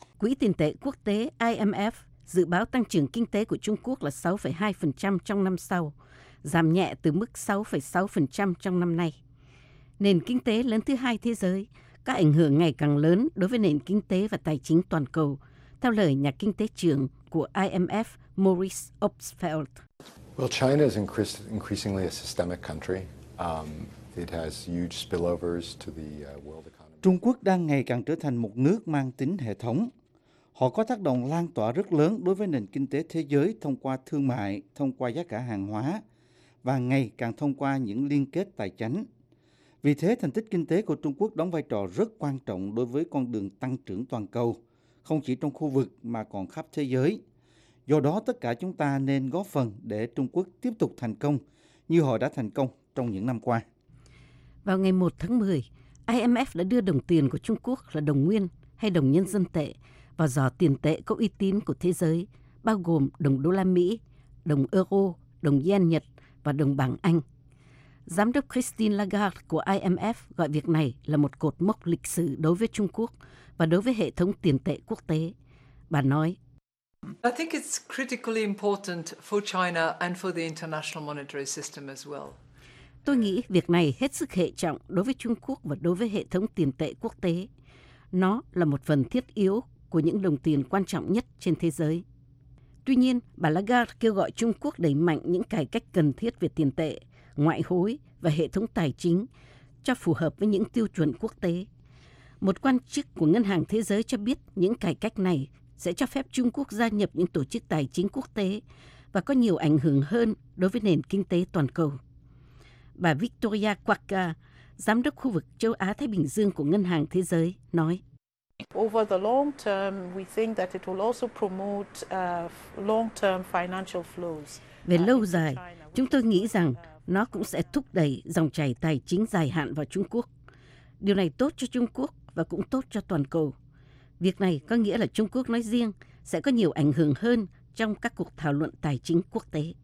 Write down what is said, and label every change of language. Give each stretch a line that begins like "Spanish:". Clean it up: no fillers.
Vietnamese: Quỹ tiền tệ quốc tế IMF dự báo tăng trưởng kinh tế của Trung Quốc là 6,2% trong năm sau, giảm nhẹ từ mức 6,6% trong năm nay. Nền kinh tế lớn thứ hai thế giới có ảnh hưởng ngày càng lớn đối với nền kinh tế và tài chính toàn cầu, theo lời nhà kinh tế trưởng của IMF Maurice Obstfeld.
English: Well, China is increasingly a systemic country. It has huge spillovers to the world economy.
Vietnamese: Trung Quốc đang ngày càng trở thành một nước mang tính hệ thống. Họ có tác động lan tỏa rất lớn đối với nền kinh tế thế giới thông qua thương mại, thông qua giá cả hàng hóa và ngày càng thông qua những liên kết tài chính. Vì thế, thành tích kinh tế của Trung Quốc đóng vai trò rất quan trọng đối với con đường tăng trưởng toàn cầu, không chỉ trong khu vực mà còn khắp thế giới. Do đó, tất cả chúng ta nên góp phần để Trung Quốc tiếp tục thành công như họ đã thành công trong những năm qua. Vào ngày 1 tháng 10, IMF đã đưa đồng tiền của Trung Quốc là đồng nguyên hay đồng nhân dân tệ vào giỏ tiền tệ có uy tín của thế giới, bao gồm đồng đô la Mỹ, đồng euro, đồng yen Nhật và đồng bảng Anh. Giám đốc Christine Lagarde của IMF gọi việc này là một cột mốc lịch sử đối với Trung Quốc và đối với hệ thống tiền tệ quốc tế. Bà nói,
English: I think it's critically important for China and for the international monetary system as well.
Vietnamese: Tôi nghĩ việc này hết sức hệ trọng đối với Trung Quốc và đối với hệ thống tiền tệ quốc tế. Nó là một phần thiết yếu của những đồng tiền quan trọng nhất trên thế giới. Tuy nhiên, bà Lagarde kêu gọi Trung Quốc đẩy mạnh những cải cách cần thiết về tiền tệ, ngoại hối và hệ thống tài chính cho phù hợp với những tiêu chuẩn quốc tế. Một quan chức của Ngân hàng Thế giới cho biết những cải cách này sẽ cho phép Trung Quốc gia nhập những tổ chức tài chính quốc tế và có nhiều ảnh hưởng hơn đối với nền kinh tế toàn cầu. Bà Victoria Quaker, Giám đốc khu vực châu Á-Thái Bình Dương của Ngân hàng Thế giới, nói.
English: Over the long term, we think that it will also promote long-term financial flows.
Vietnamese: Về lâu dài, chúng tôi nghĩ rằng nó cũng sẽ thúc đẩy dòng chảy tài chính dài hạn vào Trung Quốc. Điều này tốt cho Trung Quốc và cũng tốt cho toàn cầu. Việc này có nghĩa là Trung Quốc nói riêng sẽ có nhiều ảnh hưởng hơn trong các cuộc thảo luận tài chính quốc tế.